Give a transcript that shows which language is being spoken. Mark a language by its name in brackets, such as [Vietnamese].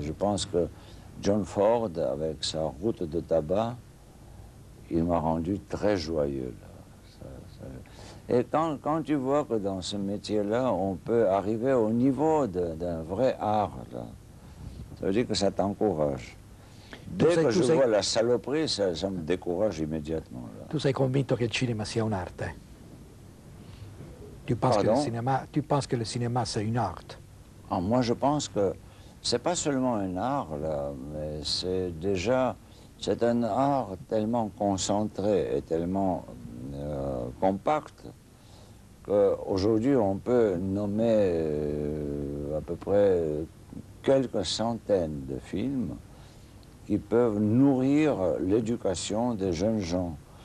[French] Je pense que John Ford, avec sa Route de tabac, il m'a rendu très joyeux. Là. Et quand tu vois que dans ce métier-là, on peut arriver au niveau d'un vrai art, là, ça veut dire que ça t'encourage. Dès que je vois la saloperie, ça me décourage immédiatement. Là. [Italian] Tu sei convinto che il cinema sia un'arte? [French] Tu penses que le cinéma, c'est une art? Moi, je pense que c'est pas seulement un art, là, mais c'est un art tellement concentré et tellement compact qu'aujourd'hui, on peut nommer à peu près quelques centaines de films qui peuvent nourrir l'éducation des jeunes gens.